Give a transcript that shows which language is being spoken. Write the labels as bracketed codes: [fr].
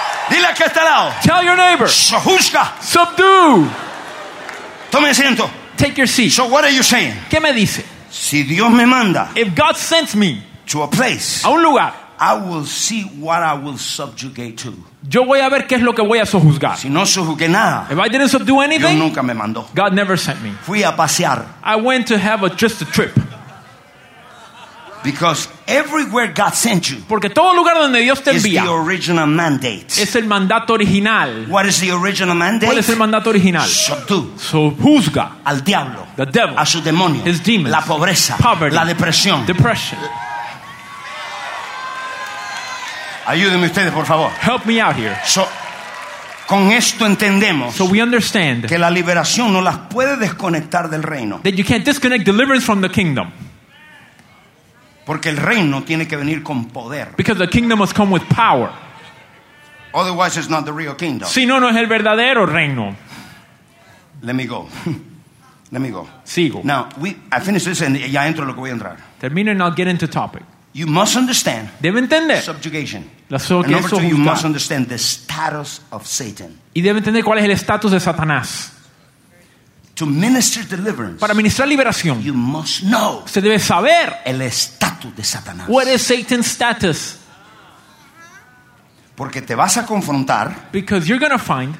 [es] Dile que está al lado. [en] Tell your neighbor. [es] Sojuzga. [en] Subdue. [es] Tome asiento. [en] Take your seat. So what are you saying? [es] ¿Qué me dice? Si Dios me manda, [en] if God sends me to a place, [es] a un lugar, [en] I will see what I will subjugate to. [es] Yo voy a ver qué es lo que voy a sojuzgar. Si no sojuzgué nada, [en] if I didn't subdue anything, [es] yo nunca me mandó. [en] God never sent me. [es] Fui a pasear. [en] I went to have just a trip. Because everywhere God sent you, [es] porque todo lugar donde Dios te envía, [en] is the original mandate. [es] Es el mandato original. [en] What is the original mandate? [es] ¿Cuál es el mandato original? [en] Subdue. [es] Sojuzga al diablo, [en] the devil, [es] a su demonio, [en] his demons, [es] la pobreza, [en] poverty, [es] la depresión, [en] depression. [es] Ayúdenme ustedes, por favor. [en] Help me out here. [es] So, con esto entendemos, [en] so we understand, [es] que la liberación no las puede desconectar del reino. [en] That you can't disconnect deliverance from the kingdom. [es] Porque el reino tiene que venir con poder. [en] Because the kingdom must come with power. Otherwise it's not the real kingdom. [es] Si no, no es el verdadero reino. [en] Let me go. [es] Sigo. [en] Now, I finish this and [es] ya entro lo que voy a entrar. Termino [en] and I'll get into topic. You must understand. [es] Debe entender. [en] Subjugation. [es] La sujeción. [en] Number two, you must understand the status of Satan. [es] Y debe entender cuál es el estatus de Satanás. [en] To minister deliverance. [es] Para ministrar liberación. [en] You must know. [es] Se debe saber. El estatus de Satanás. [en] What is Satan's status? [es] Porque te vas a confrontar. [en] Because you're gonna find.